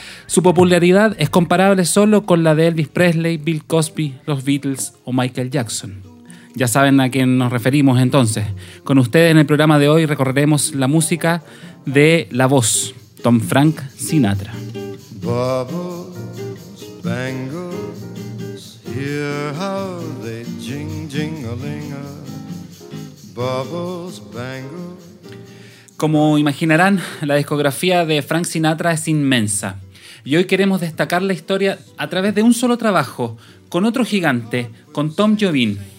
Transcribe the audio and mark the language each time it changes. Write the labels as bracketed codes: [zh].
[es] Su popularidad es comparable solo con la de Elvis Presley, Bill Cosby, los Beatles o Michael Jackson. Ya saben a quién nos referimos entonces. Con ustedes en el programa de hoy recorreremos la música de La Voz, Tom Frank Sinatra. [en] Bubbles, bangles, hear how they jing jingling. Bubbles, bangles. [es] Como imaginarán, la discografía de Frank Sinatra es inmensa. Y hoy queremos destacar la historia a través de un solo trabajo, con otro gigante, con Tom Jobim.